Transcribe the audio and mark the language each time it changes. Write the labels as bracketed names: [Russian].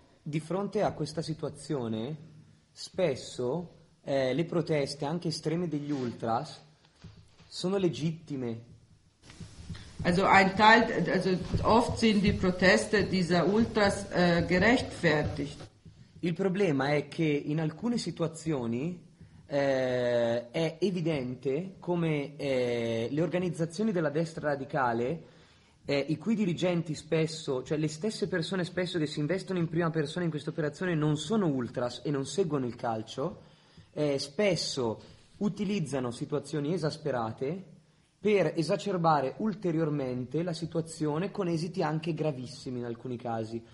[Italian] Di fronte a questa situazione spesso le proteste anche estreme degli ultras sono legittime. [German] Also ein Teil, also oft sind die Proteste dieser Ultras gerechtfertigt. [Italian] Il problema è che in alcune situazioni è evidente come le organizzazioni della destra radicale, i cui dirigenti spesso, cioè le stesse persone spesso che si investono in prima persona in questa operazione, non sono ultras e non seguono il calcio, spesso utilizzano situazioni esasperate per esacerbare ulteriormente la situazione con esiti anche gravissimi in alcuni casi.